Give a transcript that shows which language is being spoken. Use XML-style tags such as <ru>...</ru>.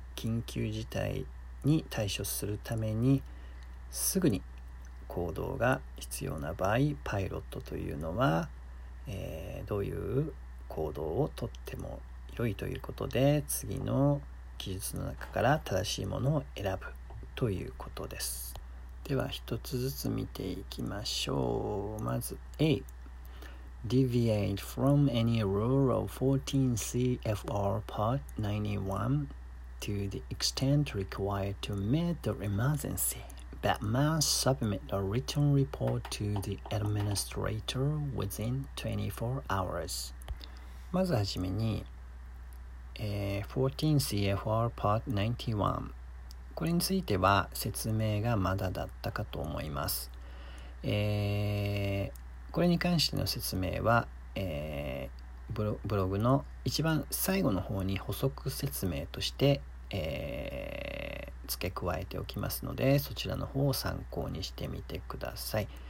<ja>緊急事態に対処するためにすぐに行動が必要な場合、パイロットというのはどういう行動をとっても良いということで、次の記述の中から正しいものを選ぶということです。では一つずつ見ていきましょう。まず A.</ja> <en>Deviate from any rule of 14 CFR Part 91 to the extent required to meet the emergencyBut must submit a written report to the administrator within 24 hours.</en> <ja>まずはじめに、14 CFR Part 91。これについては説明がまだだったかと思います。これに関しての説明は、ブログの一番最後の方に補足説明として、付け加えておきますので、そちらの方を参考にしてみてください。</ja>